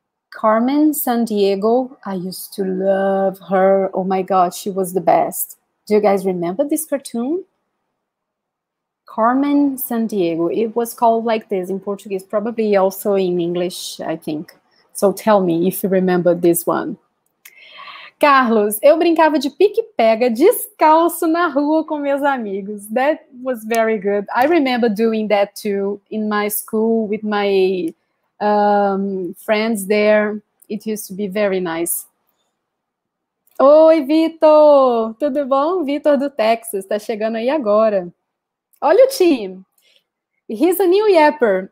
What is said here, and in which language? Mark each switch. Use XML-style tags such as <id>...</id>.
<en>Carmen Sandiego, I used to love her. Oh my God, she was the best. Do you guys remember this cartoon? Carmen Sandiego. It was called like this in Portuguese, probably also in English, I think. So tell me if you remember this one.</en> <pt>Carlos, eu brincava de pique-pega descalço na rua com meus amigos.</pt> <en>That was very good. I remember doing that too in my school with my friends there. It used to be very nice.</en> <pt>Oi, Vitor! Tudo bom? Vitor do Texas, tá chegando aí agora. Olha o time!</pt> <en>He's a new yapper.</en>